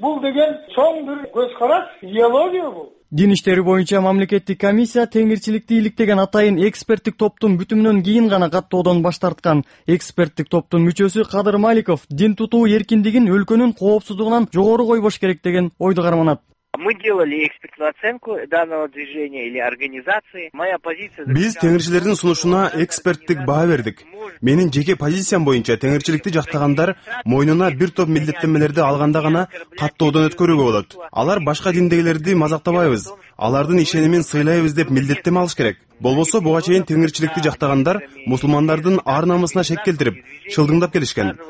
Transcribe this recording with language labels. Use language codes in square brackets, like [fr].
[ky] Бул деген чоң бир көз караш, идеология бул. Дин иштери боюнча мамлекеттик комиссия теңирчиликти иликтеген атайын эксперттик топтун бүтүмүнөн кийин гана каттоодон баш тарткан. Эксперттик топтун мүчөсү Кадыр Маликов дин тутуу эркиндигин өлкөнүн коопсуздугунан жогору койбош керек деген ойду карманат. [ru] Мы делали экспертную оценку данного движения или организации. Моя позиция. [ky] Биз теңирчилердин сунушуна эксперттик баа бердик. Менин жеке позициям боюнча теңирчиликти жактагандар мойнуна бир топ милдеттенмелерди алганда гана каттоодон өткөрүүгө болот. Алар башка диндегилерди мазактабайбыз. Алардын ишенимин сыйлайбыз деп милдеттенме алыш керек. Болбосо буга чейин теңирчиликти жактагандар мусулмандардын ар намысына шек келтирип, шылдыңдап келишкен.